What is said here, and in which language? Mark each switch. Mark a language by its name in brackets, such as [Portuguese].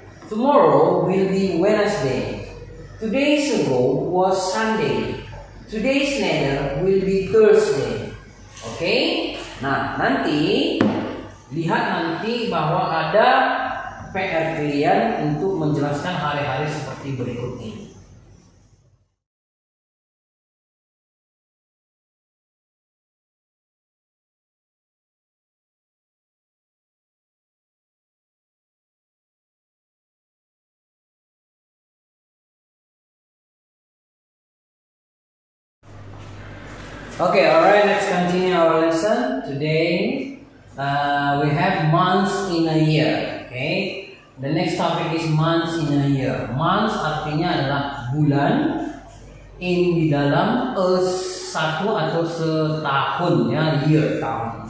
[English] Tomorrow will be Wednesday. 2 days ago was Sunday. 2 days later will be Thursday. Okay? [Indonesian] Nah, nanti lihat nanti bahwa ada PR kalian untuk menjelaskan hari-hari seperti berikut ini. [English] Okay, alright, let's continue our lesson. Today, we have months in a year, okay? The next topic is months in a year. [Indonesian] Months artinya adalah bulan in di dalam satu atau setahun, ya, year, tahun.